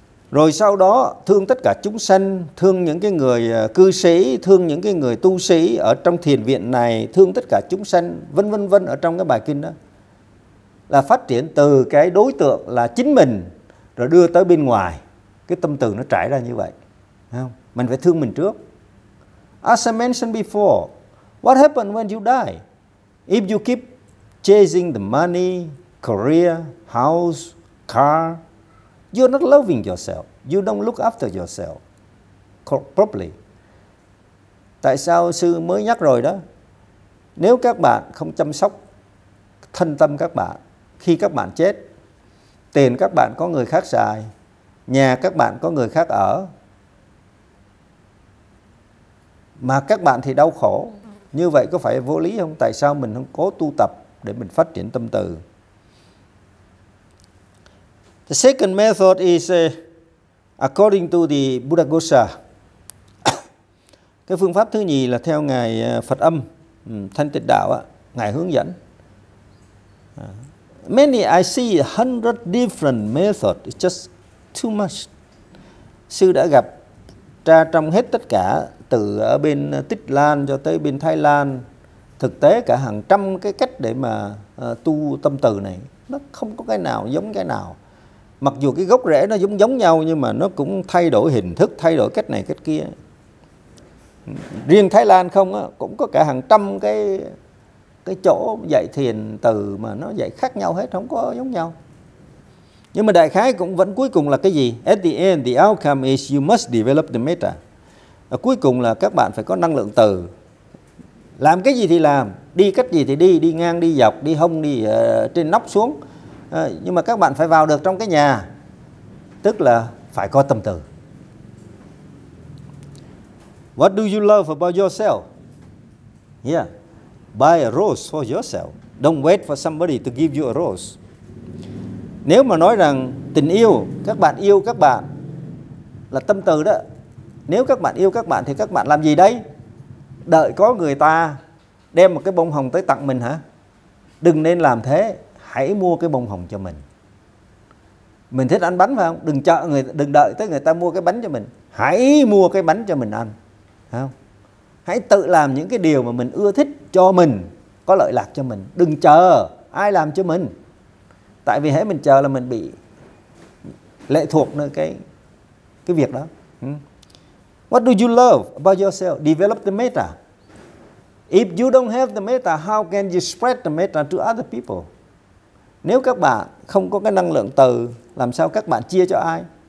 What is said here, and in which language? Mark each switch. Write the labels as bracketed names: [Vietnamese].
[Vietnamese] Rồi sau đó thương tất cả chúng sanh, thương những cái người cư sĩ, thương những cái người tu sĩ ở trong thiền viện này, thương tất cả chúng sanh, vân vân vân ở trong cái bài kinh đó. Là phát triển từ cái đối tượng là chính mình, rồi đưa tới bên ngoài. Cái tâm từ nó trải ra như vậy. Không? Mình phải thương mình trước. [English] As I mentioned before, what happens when you die? If you keep chasing the money, career, house, car, you're not loving yourself. You don't look after yourself properly. [Vietnamese] Tại sao sư mới nhắc rồi đó? Nếu các bạn không chăm sóc thân tâm các bạn, khi các bạn chết, tiền các bạn có người khác xài, nhà các bạn có người khác ở, mà các bạn thì đau khổ, như vậy có phải vô lý không? Tại sao mình không cố tu tập để mình phát triển tâm từ? [English] The second method is according to the Buddha Gosha. [Vietnamese] Cái phương pháp thứ nhì là theo ngài Phật Âm, Thanh Tịnh Đạo á, ngài hướng dẫn. [English] Many I see 100 different methods, it's just too much. [Vietnamese] Sư đã gặp ra trong hết tất cả, từ ở bên Tích Lan cho tới bên Thái Lan, thực tế cả hàng trăm cái cách để mà tu tâm từ này, nó không có cái nào giống cái nào. Mặc dù cái gốc rễ nó giống giống nhau, nhưng mà nó cũng thay đổi hình thức, thay đổi cách này cách kia. Riêng Thái Lan không á, cũng có cả hàng trăm cái chỗ dạy thiền từ mà nó dạy khác nhau hết, không có giống nhau. Nhưng mà đại khái cũng vẫn cuối cùng là cái gì? [English] At the end, the outcome is you must develop the metta. [Vietnamese] Cuối cùng là các bạn phải có năng lượng từ. Làm cái gì thì làm, đi cách gì thì đi, đi ngang, đi dọc, đi hông, đi trên nóc xuống. Nhưng mà các bạn phải vào được trong cái nhà, tức là phải có tâm từ. [English] What do you love about yourself? Yeah, buy a rose for yourself. Don't wait for somebody to give you a rose. [Vietnamese] Nếu mà nói rằng tình yêu, các bạn yêu các bạn là tâm từ đó. Nếu các bạn yêu các bạn thì các bạn làm gì đây? Đợi có người ta đem một cái bông hồng tới tặng mình hả? Đừng nên làm thế. Hãy mua cái bông hồng cho mình. Mình thích ăn bánh phải không? Đừng chờ người, đừng đợi tới người ta mua cái bánh cho mình. Hãy mua cái bánh cho mình ăn. Không? Hãy tự làm những cái điều mà mình ưa thích cho mình, có lợi lạc cho mình. Đừng chờ ai làm cho mình. Tại vì hễ mình chờ là mình bị lệ thuộc nơi cái việc đó. [English] What do you love about yourself? Develop the metta. If you don't have the metta, how can you spread the metta to other people? [Vietnamese] Nếu các bạn không có cái năng lượng từ, làm sao các bạn chia cho ai?